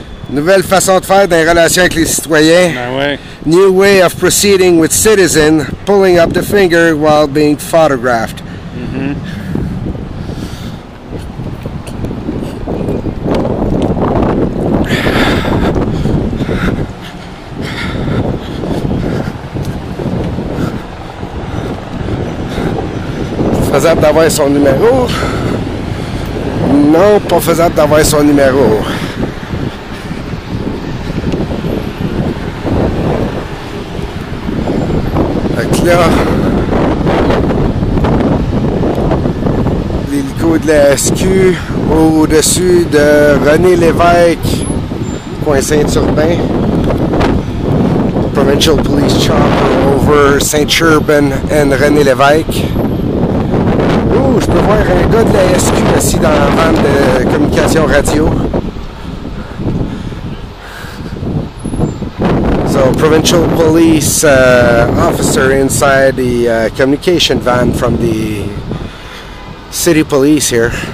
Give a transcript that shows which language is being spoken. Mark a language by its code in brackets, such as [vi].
[fr] Nouvelle façon de faire des relations avec les citoyens. [en] New way of proceeding with citizen pulling up the finger while being photographed. [fr] Faisable d'avoir son numéro. Non, pas faisable d'avoir son numéro. Fait que là, l'hélico de la SQ au-dessus de René Lévesque, coin Saint-Urbain. [en] Provincial Police Chopper over Saint-Urbain and René Lévesque. [fr] Je peux voir un gars de la SQ ici dans la vente de communication radio. [en] So, provincial police officer inside the communication van from the city police here.